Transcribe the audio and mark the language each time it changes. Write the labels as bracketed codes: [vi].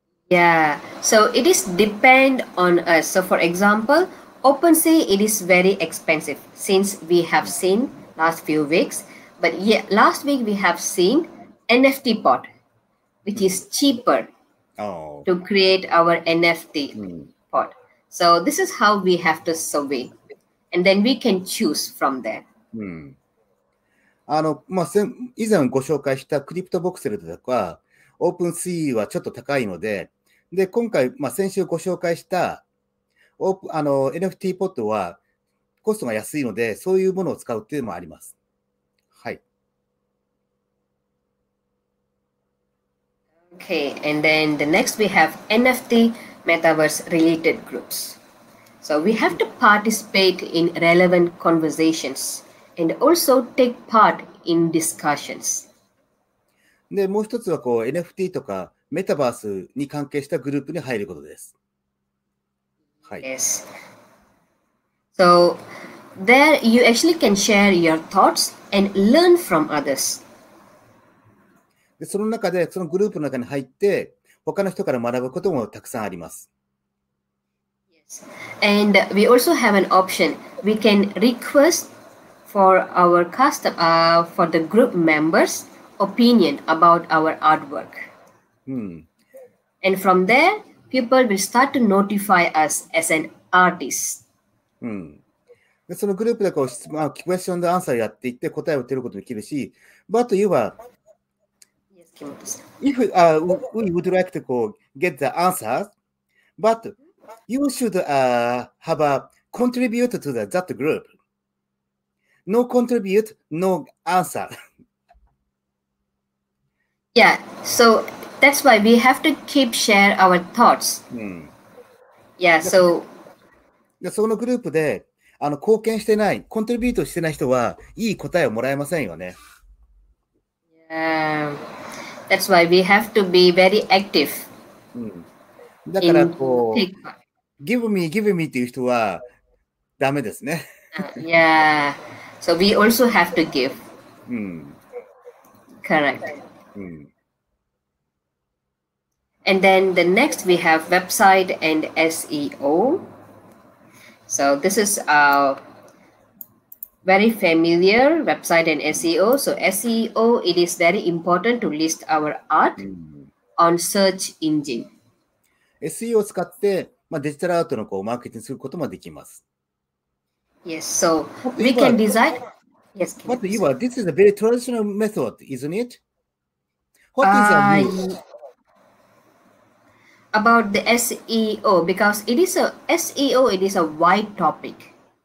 [en] Yeah, so it is depend on us. So for example, OpenSea, it is very expensive since we have seen last few weeks. But yeah, last week we have seen NFT pot, which is cheaper to create our NFT pot. So this is how we have to survey. And then we can choose from there. [ja] あの、まあ、以前ご紹介したクリプトボクセルとか、OpenSea はちょっと高いので、で今回、まあ、先週ご紹介したあの NFT ポットはコストが安いのでそういうものを使うというのもあります。はい。 [en] Okay, and then the next we have NFT Metaverse related groups. So we have to participate in relevant conversations and also take part in discussions. [ja] でもう一つはこう NFT とかメタバースに関係したグループに入ることです。はい。 [en] Yes. So there you actually can share your thoughts and learn from others. [ja] で、その中でそのグループの中に入って他の人から学ぶこともたくさんあります。 [en] Yes. And we also have an option. We can request for our custom, for the group members' opinion about our artwork. And from there, people will start to notify us as an artist. [ja] で、そのグループでこう質問、まあ、クエスチョンとアンサーやっていって答えを出ることができるし、 [en] But you are, if we would like to go get the answers, but you should have a contribute to that group. No contribute, no answer. Yeah, so. That's why we have to keep share our thoughts. Yeah, so. [ja] で、そのグループで、あの、貢献してない、コントリビュートしてない人は、いい答えをもらえませんよね。 [en] Yeah. That's why we have to be very active. [ja] だからこう、 [en] give me [ja] っていう人は、ダメですね。 [en] Yeah. So we also have to give. Correct. And then the next we have website and SEO. So this is a very familiar website and SEO. So SEO, it is very important to list our art on search engine. [ja] SEO を使って、まあ、デジタルアートのこうマーケティングすることもできます。 [en] Yes, so we can design. Yes, but Eva, this is a very traditional method, isn't it? What is a new? About the SEO, because it is a SEO, it is a wide topic.